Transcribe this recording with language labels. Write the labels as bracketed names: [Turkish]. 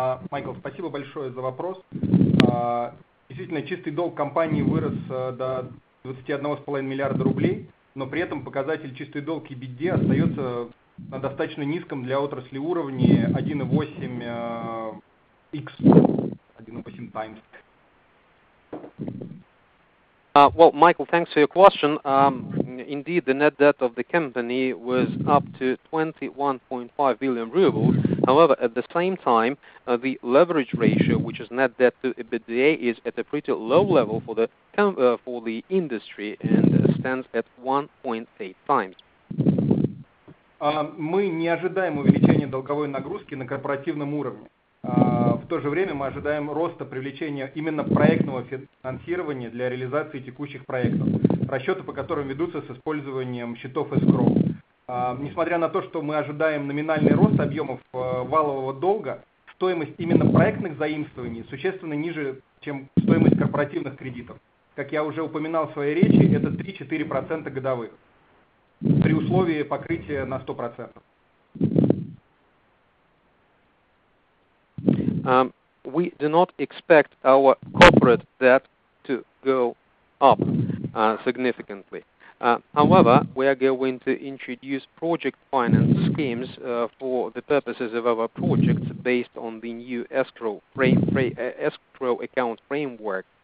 [Russian] Майкл, спасибо большое за вопрос. Действительно, чистый долг компании вырос до 21,5 миллиарда рублей, но при этом показатель чистый долг EBITDA остается на достаточно низком для отрасли уровне 1.8 times. [English] Well, Michael, thanks for your question. Indeed, the net debt of the company was up to 21.5 billion rubles. However, at the same time, the leverage ratio, which is net debt to EBITDA, is at a pretty low level for the industry and stands at 1.8 times. [Russian] Мы не ожидаем увеличения долговой нагрузки на корпоративном уровне. В то же время мы ожидаем роста привлечения именно проектного финансирования для реализации текущих проектов, расчеты по которым ведутся с использованием счетов escrow. Несмотря на то, что мы ожидаем номинальный рост объемов валового долга, стоимость именно проектных заимствований существенно ниже, чем стоимость корпоративных кредитов. Как я уже упоминал в своей речи, это 3-4% годовых при условии покрытия на 100%. [English] We do not expect our corporate debt to go up significantly. However, we are going to introduce project finance schemes for the purposes of our projects based on the new escrow account framework.